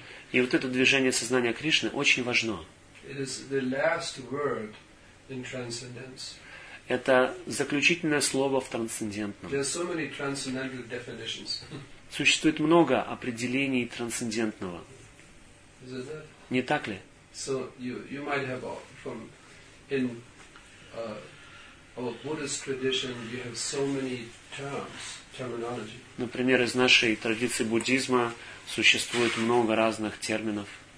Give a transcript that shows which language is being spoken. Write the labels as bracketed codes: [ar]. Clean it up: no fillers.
[ru] И вот это движение сознания Кришны очень важно. [en] It is the last word in transcendence. [ru] Это заключительное слово в трансцендентном. [en] There are so many transcendental definitions. [ru] Существует много определений трансцендентного. [en] Is it that? [ru] Не так ли? [en] So you might have from in our Buddhist tradition you have so many terms, terminology. [ru] Например, из нашей традиции буддизма существует много разных терминов.